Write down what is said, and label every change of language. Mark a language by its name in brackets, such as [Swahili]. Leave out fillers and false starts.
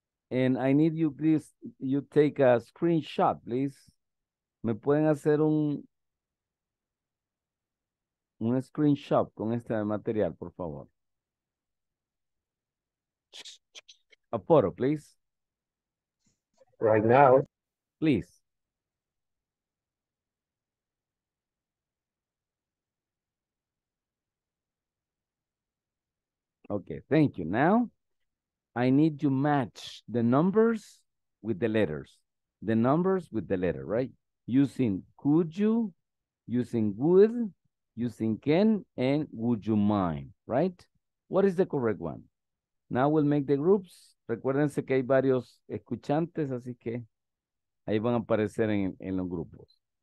[English] And I need you, please, you take a screenshot, please. [Spanish] ¿Me pueden hacer un screenshot con este material, por favor? [English] A photo, please. Right now. Please. Okay, thank you. Now, I need to match the numbers with the letters. The numbers with the letter, right? Using could you, using would, using can, and would you mind, right? What is the correct one? Now we'll make the groups. [Spanish] Recuérdense que hay varios escuchantes, así que ahí van a aparecer en los grupos.